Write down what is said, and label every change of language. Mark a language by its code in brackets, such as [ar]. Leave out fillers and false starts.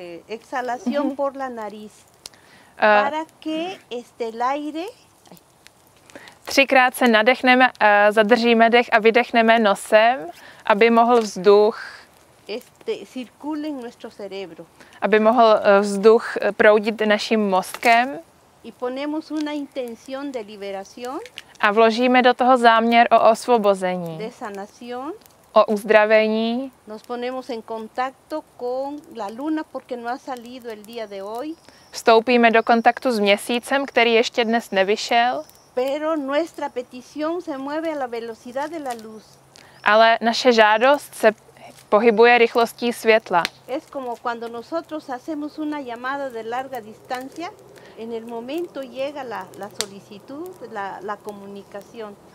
[es] Exhalación por la nariz. Para que este el aire. [cs] Třikrát se nadechneme, zadržíme dech a vydechneme nosem, aby mohl vzduch [es] circule en nuestro cerebro. [cs] Aby mohl vzduch proudit naším mozkem. [es] Y ponemos una intención de liberación. [cs] A vložíme do toho záměr o osvobození. [es] De sanación. [cs] O uzdravení. [es] Nos ponemos en contacto con la luna porque no ha salido el día de hoy. [cs] Vstoupíme do kontaktu s měsícem, který ještě dnes nevyšel. [es] Pero nuestra petición se mueve a la velocidad de la luz. [cs] Ale naše žádost se pohybuje rychlostí světla. [es] Es como cuando nosotros hacemos una llamada de larga distancia. En el momento llega la solicitud, la comunicación.